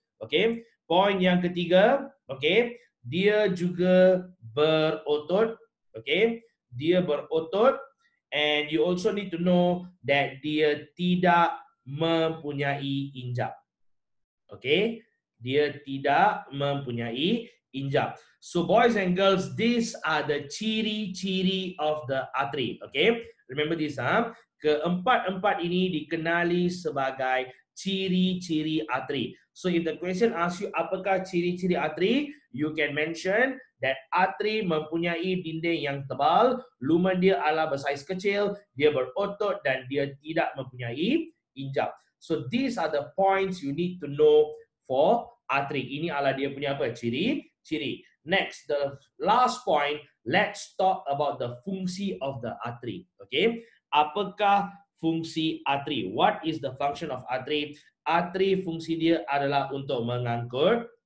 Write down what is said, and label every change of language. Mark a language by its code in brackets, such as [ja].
[ms] Okay, point yang ketiga, okay, dia juga berotot. [en] Okay, [ms] dia berotot. [en] And you also need to know that [ms] dia tidak mempunyai injak. Okay, dia tidak mempunyai injak. [en] So boys and girls, these are the ciri-ciri of the artery. Okay, remember this. [ms] Keempat-empat ini dikenali sebagai ciri-ciri artery. [en] So if the question asks you [ms] apakah ciri-ciri artery, [en] you can mention that [ms] artery mempunyai dinding yang tebal, lumen dia adalah bersaiz kecil, dia berotot dan dia tidak mempunyai injak. [en] So these are the points you need to know for artery. [ms] Ini adalah dia punya apa? Ciri-ciri. [en] Next, the last point, let's talk about the fungsi of the artery. Okay, [ms] apakah fungsi artery? [en] What is the function of artery? [ms] Artery fungsi dia adalah untuk mengangkut.